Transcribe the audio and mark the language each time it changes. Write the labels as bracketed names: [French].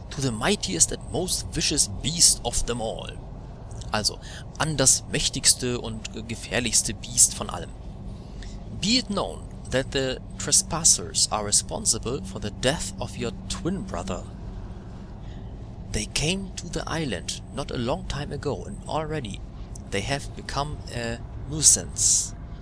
[English] To the mightiest and most vicious beast of them all. [German] Also, an das mächtigste und gefährlichste Biest von allem. [English] Be it known that the trespassers are responsible for the death of your twin brother. They came to the island not a long time ago and already they have become a nuisance.